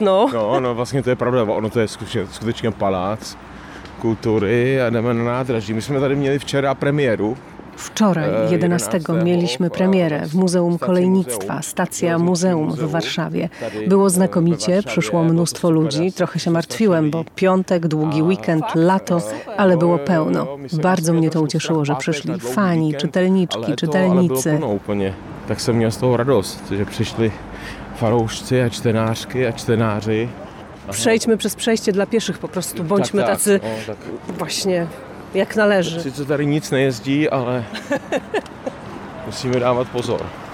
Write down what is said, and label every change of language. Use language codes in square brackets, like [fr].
[cs] No, vlastně to je pravda, ono to je skutečně palác kultury a jdeme na nádraží. My jsme tady měli včera premiéru. [pl] Včoraj, 11. mieliśmy premierę w Muzeum Kolejnictwa, Stacja Muzeum w Warszawie. Było znakomicie, przyszło mnóstwo ludzi, trochę się martwiłem, bo piątek, długi weekend, lato, ale było pełno. Bardzo mnie to ucieszyło, że przyszli fani, czytelniczki, czytelnicy. [cs] Tak jsem měl z toho radost, že přišli faroušci a čtenářky a čtenáři. Přejďme přes přejště [pl] dla pěších po prostu, bądźmy tacy vlastně jak należy. [cs] Tak, co tady nic nejezdí, ale musíme dávat pozor.